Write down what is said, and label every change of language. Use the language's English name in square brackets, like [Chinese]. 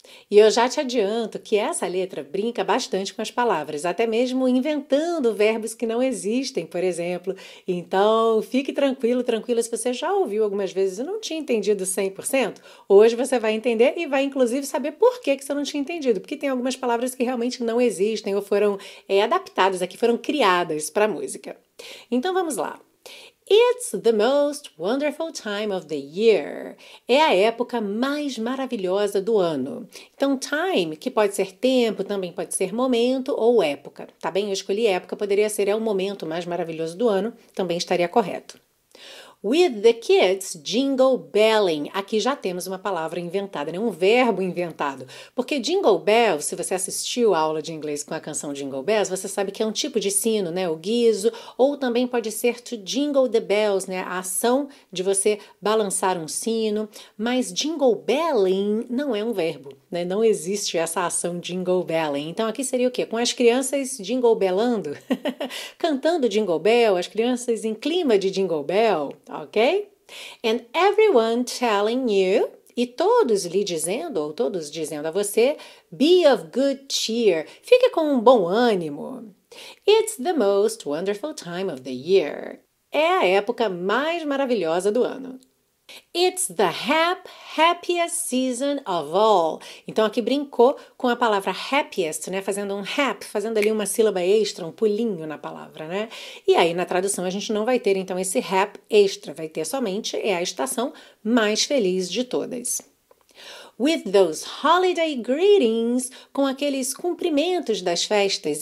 [Portuguese] E eu já te adianto que essa letra brinca bastante com as palavras, até mesmo inventando verbos que não existem, por exemplo. Então, fique tranquilo, tranquila, se você já ouviu algumas vezes e não tinha entendido 100%, hoje você vai entender e vai, inclusive, saber por que você não tinha entendido, porque tem algumas palavras que realmente não existem ou foram adaptadas aqui, foram criadas para a música. Então, vamos lá. [English] It's the most wonderful time of the year. [Portuguese] É a época mais maravilhosa do ano. Então, time, que pode ser tempo, também pode ser momento ou época. Tá bem? Eu escolhi época, poderia ser é o momento mais maravilhoso do ano, também estaria correto. [English] With the kids jingle belling. [Portuguese] Aqui já temos uma palavra inventada, né? Um verbo inventado. Porque jingle bell, se você assistiu a aula de inglês com a canção Jingle Bells, você sabe que é um tipo de sino, né? O guiso. Ou também pode ser to jingle the bells, né? A ação de você balançar um sino. Mas jingle belling não é um verbo, né? Não existe essa ação jingle belling. Então aqui seria o quê? Com as crianças jingle bellando? Cantando jingle bell, as crianças em clima de jingle bell. Ok? [English] And everyone telling you, [Portuguese] e todos lhe dizendo, ou todos dizendo a você, [English] be of good cheer, [Portuguese] fique com um bom ânimo. [English] It's the most wonderful time of the year. [Portuguese] É a época mais maravilhosa do ano. [English] It's the happiest season of all. [Portuguese] Então, aqui brincou com a palavra happiest, né? Fazendo um hap, fazendo ali uma sílaba extra, um pulinho na palavra, né? E aí, na tradução, a gente não vai ter, então, esse hap extra. Vai ter somente, é a estação mais feliz de todas. [English] With those holiday greetings, [Portuguese] com aqueles cumprimentos das festas.